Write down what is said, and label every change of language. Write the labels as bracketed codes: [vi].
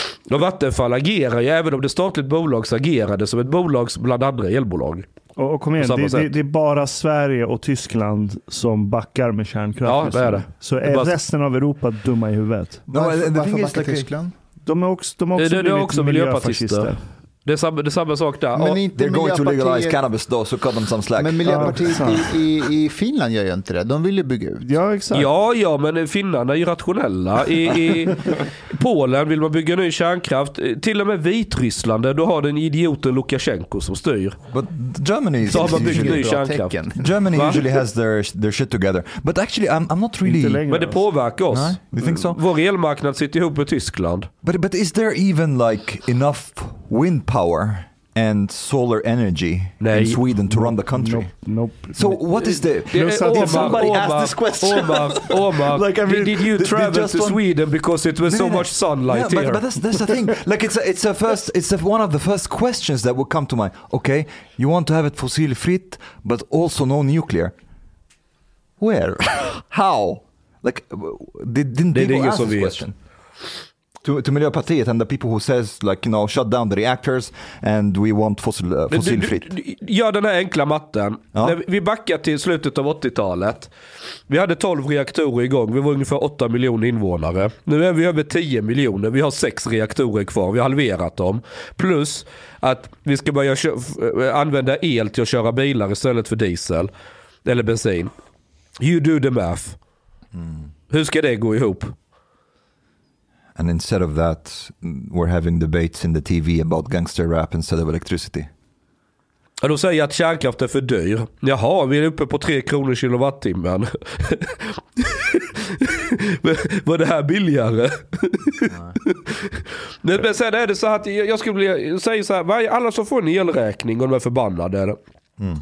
[sv] Och Vattenfall agerar ju, även om det statligt bolag så agerade som ett bolag bland andra elbolag. Och kom igen, det är bara Sverige och Tyskland som backar med kärnkraft. Ja, det är det. Så är det resten bara... av Europa dumma i huvudet? Varför backar Tyskland? De är också miljöpartister. Det är samma sak där. Men inte [en] they're going to legalize cannabis då, så cut them some slack. [sv] Men Miljöpartiet i Finland gör ju inte det. De vill ju bygga ut. Ja, exakt. Ja, men finnarna är ju rationella. I Polen vill man bygga ny kärnkraft. Till och med Vitryssland, då har den idioten Lukashenko som styr. [en] But Germany is usually kärnkraft. Germany usually has their shit together. But actually, I'm not really... [sv] Men det påverkar oss. [en] No? You think so? [sv] Vår elmarknad sitter ihop med Tyskland. [en] But is there even like enough wind power and solar energy in Sweden to run the country? Nope. So what is the... Did somebody ask this question? Like, I mean, did you travel to Sweden because it was much sunlight here? But that's the thing. Like, one of the first questions that would come to mind. Okay, you want to have it fossil free, but also no nuclear. Where? How? Like, didn't people ask this question? To Miljöpartiet and the people who says like, you know, shut down the reactors and we want fossilfritt. [sv] Gör den här enkla matten. Ja. Vi backar till slutet av 80-talet. Vi hade 12 reaktorer igång. Vi var ungefär 8 miljoner invånare. Nu är vi över 10 miljoner. Vi har 6 reaktorer kvar. Vi har halverat dem. Plus att vi ska börja använda el till att köra bilar istället för diesel eller bensin. [en] You do the math. [sv] Mm. Hur ska det gå ihop? [en] And instead of that, we're having debates in the TV about gangster rap instead of electricity. [sv] Och då säger jag att kärnkraft är för dyr. Jaha, vi är uppe på 3 kronor kilowattimmen. Var det här billigare? Nej. Men sen är det så att jag skulle säga så här. Alla som får en elräkning och de är förbannade. Mm.